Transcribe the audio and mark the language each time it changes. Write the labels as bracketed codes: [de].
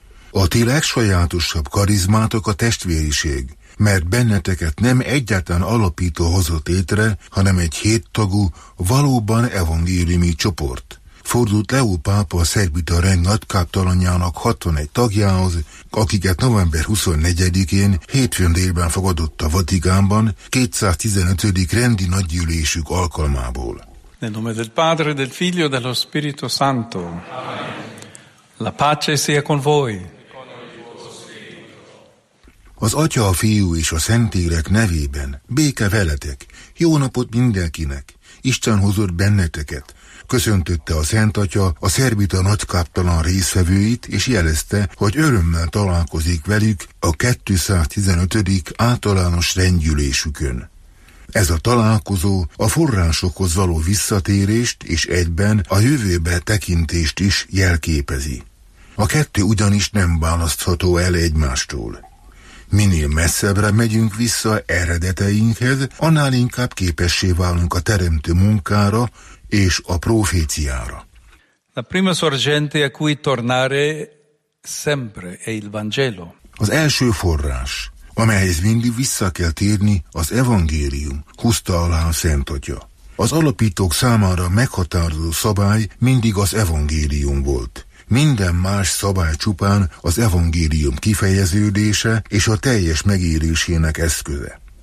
[hu] A ti legsajátosabb karizmátok a testvériség, mert benneteket nem egyetlen alapító hozott létre, hanem egy héttagú, valóban evangéliumi csoport. Fordult Leó pápa a szerbita rend nagykáptalanjának 61 tagjához, akiket november 24-én hétfőn délben fogadott a Vatikánban 215. rendi nagygyűlésük alkalmából. [it] Nel nome del Padre, del Figlio, dello Spirito Santo. Amen. La pace sia con voi. [hu] Az Atya, a Fiú és a Szentlélek nevében béke veletek, jó napot mindenkinek, Isten hozott benneteket, köszöntötte a Szent Atya a szerbita nagykáptalan részvevőit, és jelezte, hogy örömmel találkozik velük a 215. általános rendgyűlésükön. Ez a találkozó a forrásokhoz való visszatérést és egyben a jövőbe tekintést is jelképezi. A kettő ugyanis nem választható el egymástól. Minél messzebbre megyünk vissza eredeteinkhez, annál inkább képessé válunk a teremtő munkára és a proféciára. [it] La prima sorgente a cui tornare sempre è il Vangelo. [hu] Az első forrás, amelyhez mindig vissza kell térni, az evangélium, húzta alá a Szent Atya. Az alapítók számára meghatározó szabály mindig az evangélium volt. Minden más szabály csupán az evangélium kifejeződése és a teljes megélésének eszköze.